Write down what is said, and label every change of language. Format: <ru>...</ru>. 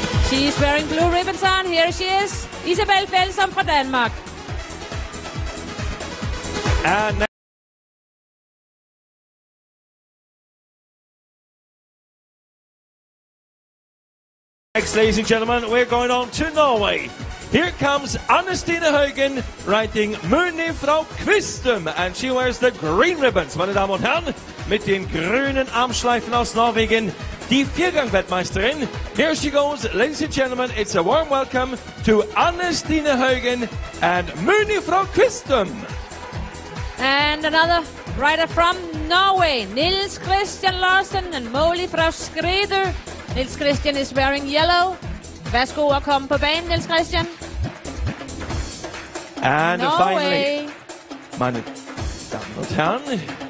<en>She's wearing blue ribbons on. Here she is, Isabel Felsum from Denmark. And next. Next, ladies and gentlemen, we're going on to Norway. Here comes Anne-Stine Haugen riding Mooney Frau Kvistum, and she wears the green ribbons,</en> <de>meine Damen und Herren, mit den grünen Armschleifen aus Norwegen, die Viergang-Weltmeisterin.</de> <en>Here she goes, ladies and gentlemen, it's a warm welcome to Anne-Stine Haugen and Mooney Frau Kvistum. And another rider from Norway, Nils Christian Larsen and Molly Frau Skreder. Nils Christian is wearing yellow.</en> <no>Værsgo at komme på banen, Nils Christian.</no> <en>And finally,</en> <de>meine Damen und Herren.</de>